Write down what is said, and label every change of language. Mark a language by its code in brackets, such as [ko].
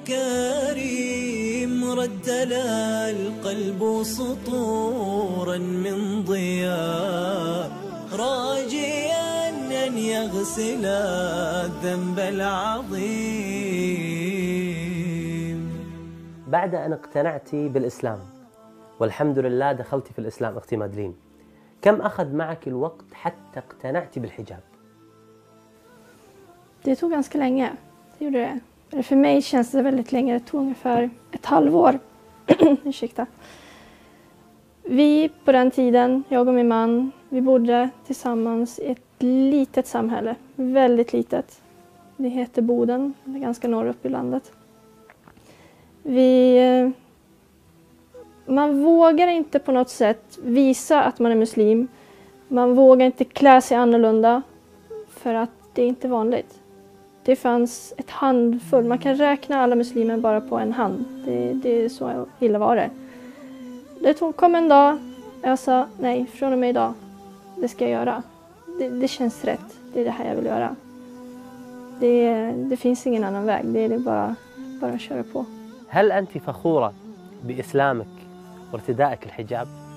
[ar] كريم رد لا القلب سطورا من ضياء راجيا أن يغسل الذنب العظيم. بعد أن اقتنعت بالإسلام والحمد لله دخلت في الإسلام أختي مادلين، كم أخذ معك الوقت حتى اقتنعت بالحجاب؟ [sv] Det tog ganska länge. Det gjorde det. Eller för mig känns det väldigt länge. Det tog ungefär ett halvår. Ursäkta. Vi på den tiden, jag och min man, vi bodde tillsammans i ett litet samhälle. Väldigt litet. Det heter Boden. Det är ganska norr upp i landet. Man vågar inte på något sätt visa att man är muslim. Man vågar inte klä sig annorlunda. För att det är inte vanligt. Det fanns ett handfull. Man kan räkna alla muslimer bara på en hand. Det är så illa var det. Det kom en dag. Jag sa nej, från och med idag. Det ska jag göra. Det känns rätt. Det är det här jag vill göra. Det finns ingen annan väg. Det är bara att köra på. [ar] هل أنت فخورة بإسلامك وارتدائك الحجاب؟